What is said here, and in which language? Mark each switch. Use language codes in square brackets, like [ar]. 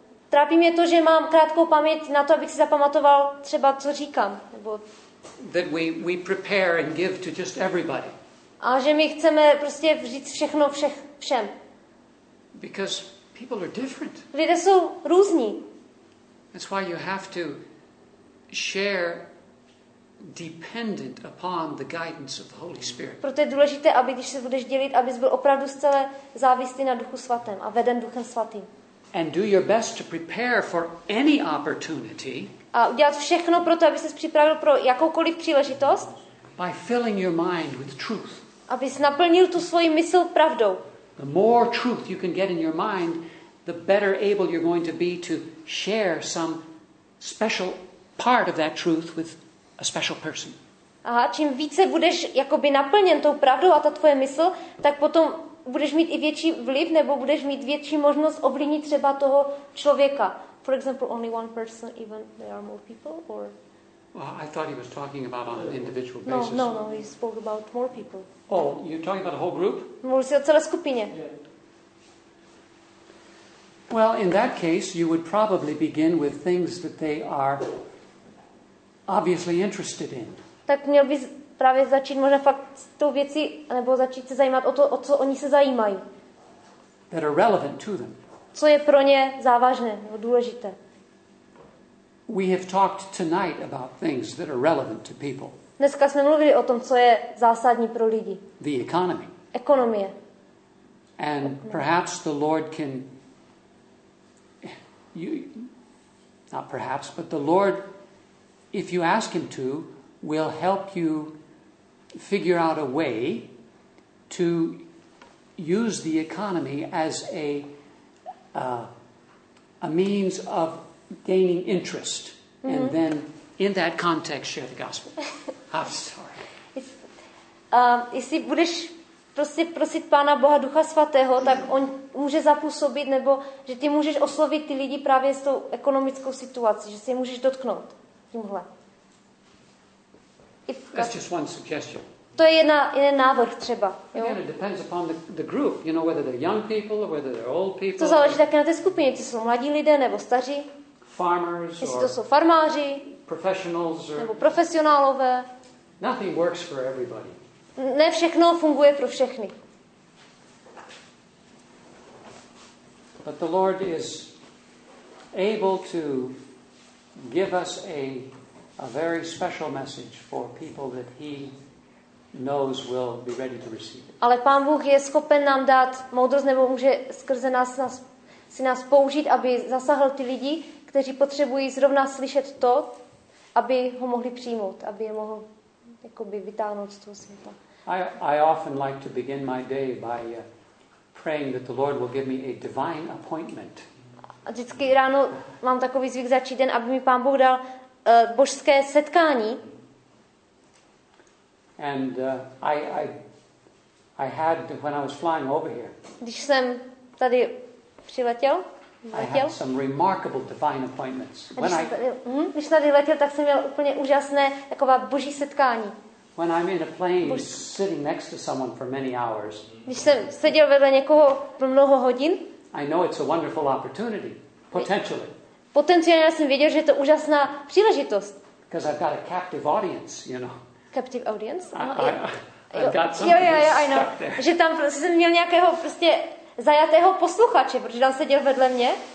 [cs] Trápí mě to, že mám krátkou paměť na to, abych si zapamatoval třeba, co říkám. Nebo... [en] That we prepare and give to just everybody. [cs] A že my chceme prostě říct všechno všem. [en] Because people are different. [cs] Lidé jsou různí. [en] That's why you have to share dependent upon the guidance of the Holy Spirit. [cs] Proto je důležité, aby když se budeš dělit, abys byl opravdu zcela závislý na Duchu Svatém a veden Duchem Svatým. [en] And do your best to prepare for any opportunity. [cs] A udělat všechno pro to, aby ses připravil pro jakoukoliv příležitost. [en] By filling your mind with truth. [cs] Abys naplnil tu svoji mysl pravdou. [en] The more truth you can get in your mind, the better able you're going to be to share some special part of that truth with a special person. [cs] A čím více budeš jakoby naplněn tou pravdou a ta tvoje mysl, tak potom budeš mít i větší vliv, nebo budeš mít větší možnost ovlivnit třeba toho člověka. [en] For example, only one person, even there are more people, or... Well, I thought he was talking about on an individual basis. No, he spoke about more people. Oh, you're talking about a whole group? [cs] Mluvil jsi o celé skupině. [en] Yeah. Well, in that case, you would probably begin with things that they are obviously interested in. [cs] Tak měl bys... právě začít možná fakt s tou věcí, nebo začít se zajímat o to, o co oni se zajímají. [en] That are relevant to them. [cs] Co je pro ně závažné nebo důležité. [en] We have talked tonight about things that are relevant to people. [cs] Dneska jsme mluvili o tom, co je zásadní pro lidi. [en] The economy. [cs] Ekonomie. [en] And perhaps the Lord can... You, not perhaps, but the Lord, if you ask him to, will help you figure out a way to use the economy as a means of gaining interest, mm-hmm. and then in that context share the gospel. I'm sorry. [cs] Jestli budeš prostě prosit Pána Boha Ducha Svatého, tak on může zapůsobit, nebo že ty můžeš oslovit ty lidi právě s tou ekonomickou situací, že si je můžeš dotknout tímhle. [en] That's just one suggestion. [cs] To je jeden návrh třeba. [en] Again, it depends upon the group, you know, whether they're young people or whether they're old people. [cs] To záleží také na té skupině, jestli jsou mladí lidé nebo staří. [en] Farmers. [cs] Jestli to jsou farmáři. [en] Professionals. [cs] Nebo profesionálové. [en] Nothing works for everybody. [cs] Ne všechno funguje pro všechny. [en] But the Lord is able to give us a very special message for people that he knows will be ready to receive. [cs] Ale Pán Bůh je schopen nám dát moudrost, nebo může skrze nás si nás použít, aby zasáhl ty lidi, kteří potřebují zrovna slyšet to, aby ho mohli přijmout, aby je mohl jakoby vytáhnout z toho světa. [en] I often like to begin my day by praying that the Lord will give me a divine appointment. [cs] A vždycky ráno mám takový zvyk začít den, aby mi Pán Bůh dal božské setkání. [en] And I had when I was flying over here. [cs] Když jsem tady přiletěl, [en] I had some remarkable divine appointments. [cs] Když jsem tady letěl, tak jsem měl úplně úžasné taková boží setkání. [en] When I'm in a plane sitting next to someone for many hours. [cs] Když jsem seděl vedle někoho pro mnoho hodin. [en] I know it's a wonderful opportunity, potentially. [cs] Potenciálně jsem věděl, že je to úžasná příležitost. [en] Because I've got a captive audience, you know. Captive audience? I know. [cs] Že tam jsem měl nějakého prostě zajatého posluchače, protože tam seděl vedle mě.